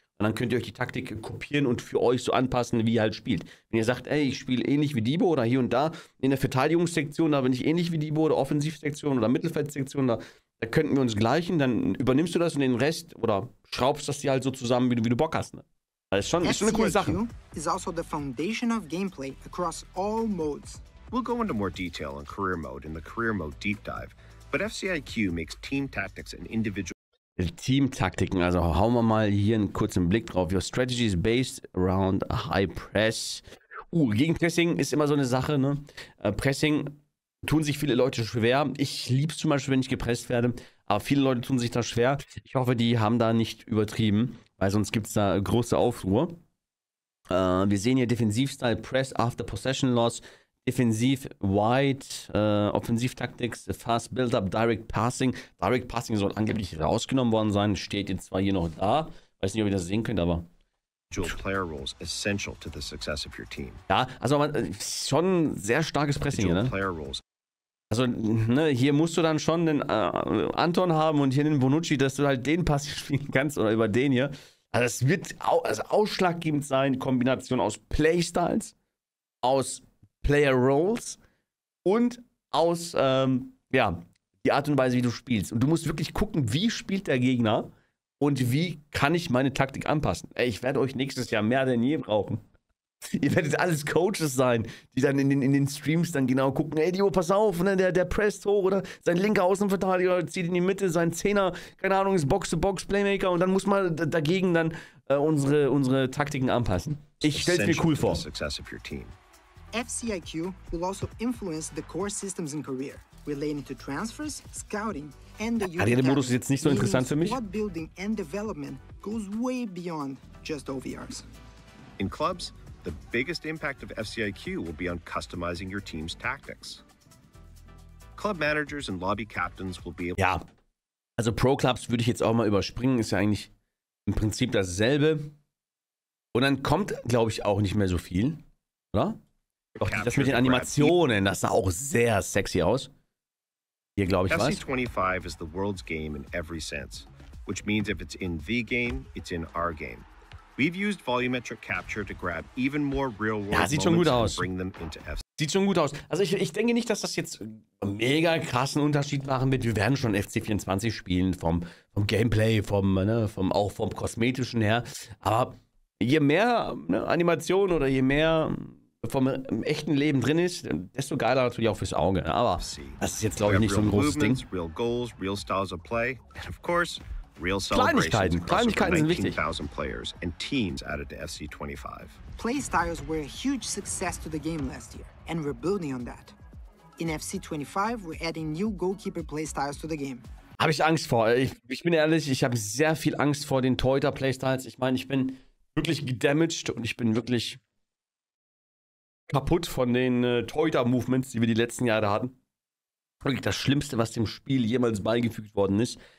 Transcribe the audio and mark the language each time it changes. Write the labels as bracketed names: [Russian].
[German] Und dann könnt ihr euch die Taktik kopieren und für euch so anpassen, wie ihr halt spielt. Wenn ihr sagt, ey, ich spiele ähnlich wie Diebo oder hier und da in der Verteidigungssektion, da bin ich ähnlich wie Diebo oder Offensivsektion oder Mittelfeldsektion, da könnten wir uns gleichen, dann übernimmst du das und den Rest oder schraubst das dir halt so zusammen, wie du Bock hast. Ne? Das ist schon eine coole Sache. [English] Is also the foundation of gameplay across all modes. We'll go into more detail on career mode in the career mode deep dive. But FCIQ makes team tactics and individual. [German] Team-Taktiken, also hauen wir mal hier einen kurzen Blick drauf. [English] Your strategy is based around high press. [German] Gegenpressing ist immer so eine Sache, ne? Pressing tun sich viele Leute schwer. Ich liebe es zum Beispiel, wenn ich gepresst werde, aber viele Leute tun sich da schwer. Ich hoffe, die haben da nicht übertrieben, weil sonst gibt es da große Aufruhr. Wir sehen hier Defensivstyle, Press after Possession Loss. Defensiv, Wide, Offensiv-Tactics, Fast Build-Up, Direct Passing. Direct Passing soll angeblich rausgenommen worden sein, steht jetzt zwar hier noch da. Weiß nicht, ob ihr das sehen könnt, aber. [English] Dual player roles essential to the success of your team. [German] Ja, also schon sehr starkes Pressing hier, ne? Also, ne, hier musst du dann schon den Anton haben und hier den Bonucci, dass du halt den Pass spielen kannst oder über den hier. Also, es wird ausschlaggebend sein, Kombination aus Playstyles, aus Player Roles und aus, die Art und Weise, wie du spielst. Und du musst wirklich gucken, wie spielt der Gegner und wie kann ich meine Taktik anpassen. Ey, ich werde euch nächstes Jahr mehr denn je brauchen. Ihr werdet alles Coaches sein, die dann in den Streams dann genau gucken. Ey, Dio, pass auf, ne, der presst hoch oder sein linker Außenverteidiger zieht in die Mitte, sein Zehner, keine Ahnung, ist Box-to-Box-Playmaker und dann muss man dagegen dann unsere Taktiken anpassen. Ich stell's mir cool vor. [English] FCIQ will also influence the core systems in Korea, relating to transfers, scouting, and the youth. [German] Karrieremodus ist jetzt nicht so interessant für mich. [English] Squad building and development goes way beyond just OVRs. In clubs, the biggest impact of FCIQ will be on customizing your team's tactics. Club managers and lobby captains will be [German] able. Ja, also Pro Clubs würde ich jetzt auch mal überspringen. Ist ja eigentlich im Prinzip dasselbe. Und dann kommt, glaube ich, auch nicht mehr so viel, oder? Doch, das mit den Animationen, das sah auch sehr sexy aus. Hier glaube ich was. [English] FC25 is the world's game in every sense, which means if it's in the game, it's in our game. We've used volumetric capture to grab even more real world. [German] Ja, sieht schon gut aus. [English] Bring them into FC. [German] Sieht schon gut aus. Also ich denke nicht, dass das jetzt mega krassen Unterschied machen wird. Wir werden schon FC24 spielen vom Gameplay, vom kosmetischen her, aber je mehr, ne, Animation oder je mehr vom im echten Leben drin ist, desto geiler natürlich auch fürs Auge. Aber das ist jetzt, glaube ich, nicht so ein großes Ding. [English] Real goals, real styles of play, and of course, real [German] Kleinigkeiten sind wichtig. [English] Players and teams added to FC25. Play styles were a huge success to the game last year, and we're building on that. In FC25, we're adding new goalkeeper play styles to the game. [German] Habe ich Angst vor? Ich bin ehrlich, ich habe sehr viel Angst vor den Torhüter Play styles. Ich meine, ich bin wirklich gedamaged und ich bin wirklich kaputt von den Torhüter-Movements, die wir die letzten Jahre hatten. Wirklich das Schlimmste, was dem Spiel jemals beigefügt worden ist.